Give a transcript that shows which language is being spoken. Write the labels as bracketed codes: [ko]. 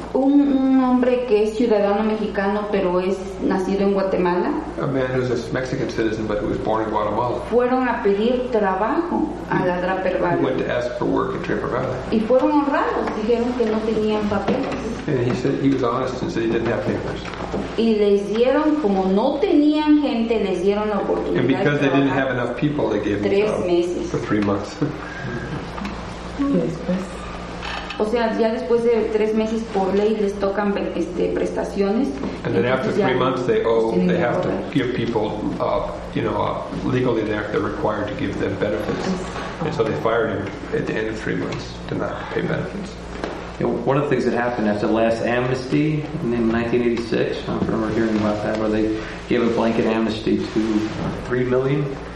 [es] Un hombre que es ciudadano mexicano, pero es nacido en Guatemala. [en] A man who's a Mexican citizen, but who was born in Guatemala. [es] Fueron a pedir trabajo a la Draper Valley. [en] He went to ask for work in Draper Valley. [es] Y fueron honrados, dijeron que no tenían papeles. [en] And he said he was honest and said he didn't have papers. [es] Y les dieron, como no tenían gente, les dieron la oportunidad. [en] And because they didn't have enough people, they gave them jobs. [es] 3 meses. [en] For 3 months. [es] O sea, ya después de 3 meses por ley les tocan prestaciones. [en] And then after 3 months they have to give people, legally they're required to give them benefits. And so they fired him at the end of 3 months to not pay benefits. You know, one of the things that happened after the last amnesty in 1986, I don't remember hearing about that, where they gave a blanket amnesty to 3 million.